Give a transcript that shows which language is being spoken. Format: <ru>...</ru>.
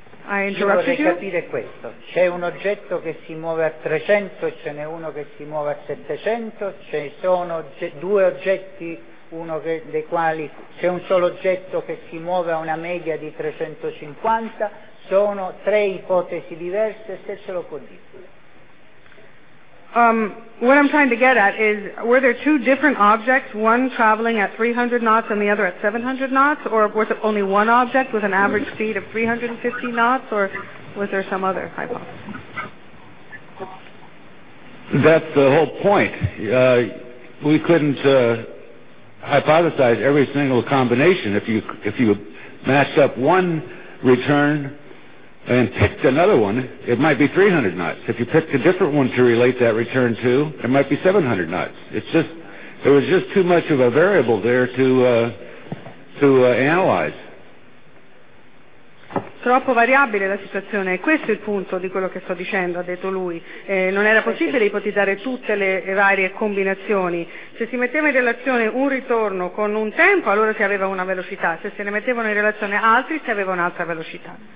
<it>Io vorrei capire questo: c'è un oggetto che si muove a 300, ce n'è uno che si muove a 700, ce ne sono due oggetti, uno che, dei quali c'è un solo oggetto che si muove a una media di 350, sono tre ipotesi diverse, se ce lo può dire.</it> <en>What I'm trying to get at is, were there two different objects, one traveling at 300 knots and the other at 700 knots, or was it only one object with an average speed of 350 knots, or was there some other hypothesis? That's the whole point. We couldn't hypothesize every single combination. If you matched up one return and picked another one, it might be 300 knots. If you picked a different one to relate that return to, it might be 700 knots. It's just, there was just too much of a variable there to analyze.</en> <it>Troppo variabile la situazione, questo è il punto di quello che sto dicendo, ha detto lui. Non era possibile ipotizzare tutte le varie combinazioni. Se si metteva in relazione un ritorno con un tempo, allora si aveva una velocità. Se se ne mettevano in relazione altri, si aveva un'altra velocità.</it>